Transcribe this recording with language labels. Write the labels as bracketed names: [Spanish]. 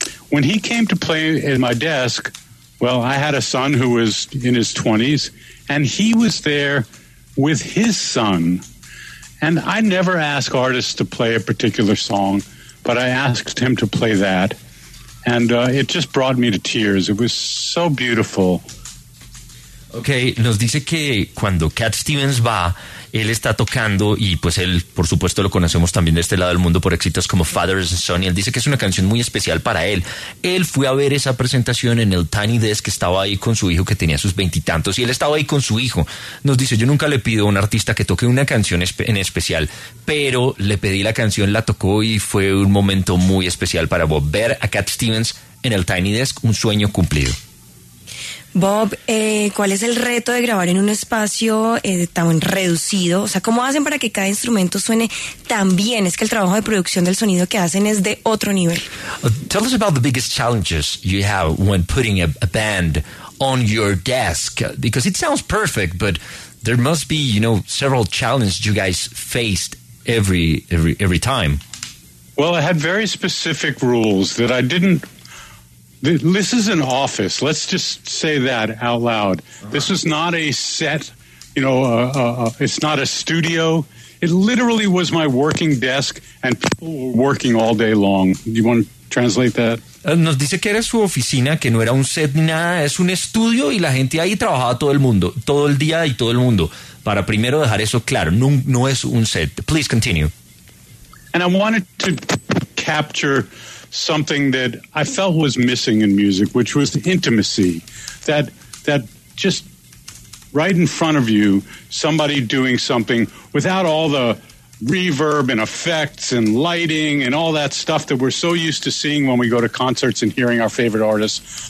[English] When he came to play at my desk, well, I had a son who was in his 20s, and he was there with his son. And I never ask artists to play a particular song, but I asked him to play that. And it just brought me to tears. It was so beautiful. [Spanish] Okay, nos dice que cuando Cat Stevens va, él está tocando, y pues él, por supuesto, lo conocemos también de este lado del mundo por éxitos como Father's Son, y él dice que es una canción muy especial para él. Él fue a ver esa presentación en el Tiny Desk, que estaba ahí con su hijo, que tenía sus 20 y tantos, y él estaba ahí con su hijo. Nos dice, yo nunca le pido a un artista que toque una canción en especial, pero le pedí la canción, la tocó, y fue un momento muy especial para Bob. Ver a Cat Stevens en el Tiny Desk, un sueño cumplido. Bob, ¿cuál es el reto de grabar en un espacio tan reducido? O sea, ¿cómo hacen para que cada instrumento suene tan bien? Es que el trabajo de producción del sonido que hacen es de otro nivel. [English] Tell us about the biggest challenges you have when putting a band on your desk, because it sounds perfect, but there must be, you know, several challenges you guys faced every time. Well, I had very specific rules that I didn't. This is an office. Let's just say that out loud. This is not a set, you know, it's not a studio. It literally was my working desk, and people were working all day long. Do you want to translate that? [Spanish] Nos dice que era su oficina, que no era un set ni nada, es un estudio, y la gente ahí trabajaba todo el mundo, todo el día y todo el mundo. Para primero dejar eso claro, no es un set. [English] Please continue. And I wanted to capture something that I felt was missing in music, which was the intimacy, that just right in front of you, somebody doing something without all the reverb and effects and lighting and all that stuff that we're so used to seeing when we go to concerts and hearing our favorite artists.